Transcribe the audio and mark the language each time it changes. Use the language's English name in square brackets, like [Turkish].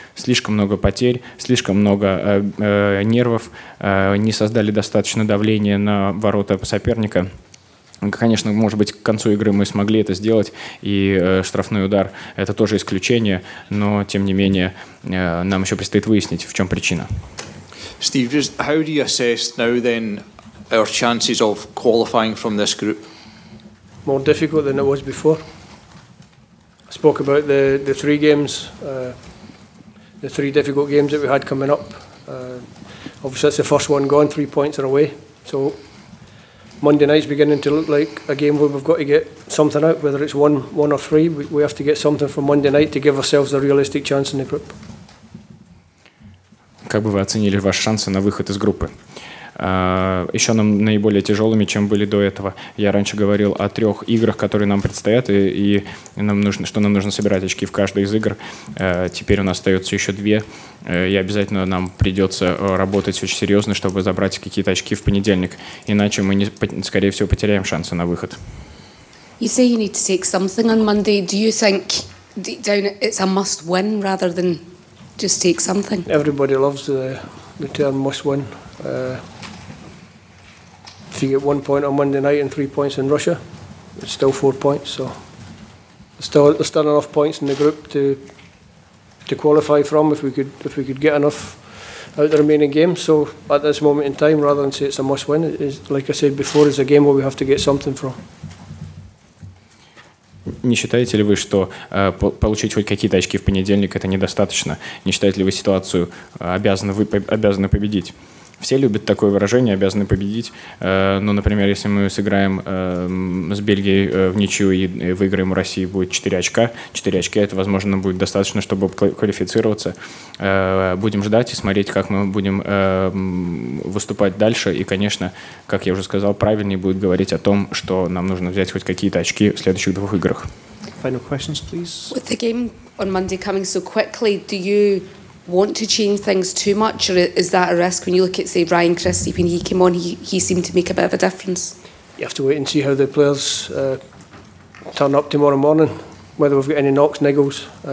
[Russian] Слишком много потерь, слишком много нервов, не создали достаточно давления на ворота соперника. Конечно, может быть, к концу игры мы смогли это сделать, и штрафной удар – это тоже исключение, но, тем не менее, нам еще предстоит выяснить, в чем причина. [English] Steve, just how do you assess now then our chances of qualifying from this group? More difficult than it was before. I spoke about the three games, the three difficult games that we had coming up. Obviously, that's the first one gone, 3 points are away, so Monday night's beginning to look like a game where we've got to get something out, whether it's one or three. We have to get something from Monday night to give ourselves a realistic chance in the group. [Russian] Как бы вы оценили ваши шансы на выход из группы? Еще нам наиболее тяжелыми, чем были до этого. Я раньше говорил о трех играх, которые нам предстоят, и нам нужно, что нам нужно собирать очки в каждой из игр. Теперь у нас остается еще две, и обязательно нам придется работать очень серьезно, чтобы забрать какие-то очки в понедельник. Иначе мы, скорее всего, потеряем шансы на выход. [English] You say you need to take something on Monday. Do you think down it's a must win rather than just take something? Everybody loves the term must win. If you get 1 point on Monday night and 3 points in Russia, it's still 4 points. So there's still enough points in the group to qualify from if we could get enough out the remaining game. So at this moment in time, rather than say it's a must win, it is, like I said before, it's a game where we have to get something from. [Russian] Не считаете ли вы, что получить хоть какие-то очки в понедельник это недостаточно? Не считаете ли вы ситуацию обязаны победить? Все любят такое выражение, обязаны победить. Но, например, если мы сыграем с Бельгией в ничью и выиграем у России, будет 4 очка. 4 очка, это, возможно, будет достаточно, чтобы квалифицироваться. Будем ждать и смотреть, как мы будем выступать дальше. И, конечно, как я уже сказал, правильнее будет говорить о том, что нам нужно взять хоть какие-то очки в следующих двух играх. [English] Final questions, please. With the game on Monday coming so quickly, do you want to change things too much, or is that a risk? When you look at, say, Ryan Christie, when he came on, he seemed to make a bit of a difference. You have to wait and see how the players turn up tomorrow morning, whether we've got any knocks, niggles.